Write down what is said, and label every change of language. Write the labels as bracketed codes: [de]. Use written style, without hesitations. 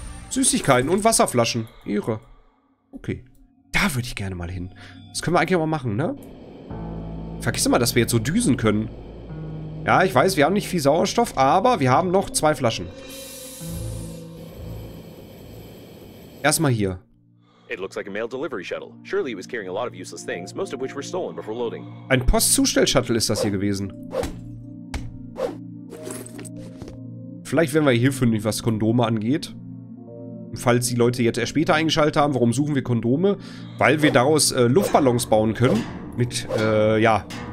[de] Süßigkeiten und Wasserflaschen. Ehre. Okay. Da würde ich gerne mal hin. Das können wir eigentlich auch mal machen, ne? Vergiss immer, dass wir jetzt so düsen können. Ja, ich weiß, wir haben nicht viel Sauerstoff, aber wir haben noch zwei Flaschen. Erstmal hier. [en] It looks like a mail delivery shuttle. Surely it was carrying a lot of useless things, most of which were stolen before loading. [de] Ein Postzustellshuttle ist das hier gewesen. Vielleicht werden wir hier fündig, was Kondome angeht. Falls die Leute jetzt erst später eingeschaltet haben, warum suchen wir Kondome? Weil wir daraus Luftballons bauen können. Mit, ja.